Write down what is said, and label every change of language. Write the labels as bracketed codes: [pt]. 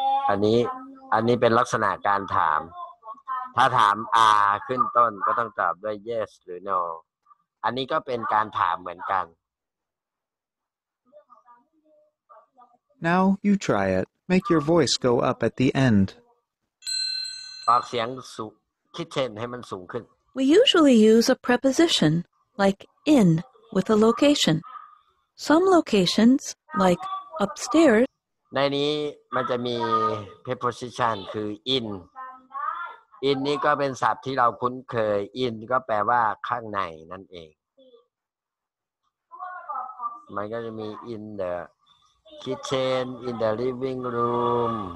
[th] อันนี้เป็นลักษณะการถามถ้าถาม are ขึ้นต้นก็ต้องตอบด้วย yes หรือ no อันนี้ก็เป็นการถามเหมือนกัน [en] Now you try it. Make your voice go up at the end. [th] ออกเสียงสูง kitchen ให้มันสูงขึ้น [en] We usually use a preposition like in with a location. Some locations, like upstairs, [th] ในนี้มันจะมี preposition คือ in. In นี้ก็เป็นศัพท์ที่เราคุ้นเคย in ก็แปลว่าข้างในนั่นเองมันก็จะมี [en] in the kitchen, in the living room.